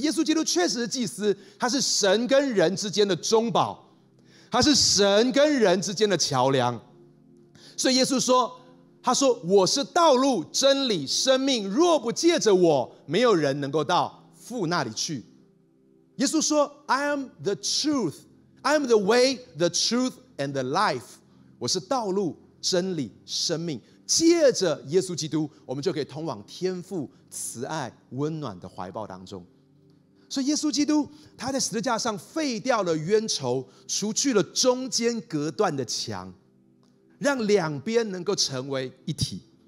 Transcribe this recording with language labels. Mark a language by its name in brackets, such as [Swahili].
[Chinese] 耶稣基督确实是祭司，他是神跟人之间的中保，他是神跟人之间的桥梁。所以耶稣说：“他说我是道路、真理、生命，若不借着我，没有人能够到父那里去。” 耶稣说 [English] ：“I am the truth.” I'm the way, the truth, and the life. [Chinese] 我是道路、真理、生命。借着耶稣基督，我们就可以通往天父慈爱、温暖的怀抱当中。所以耶稣基督，他在十字架上废掉了冤仇，除去了中间隔断的墙，让两边能够成为一体。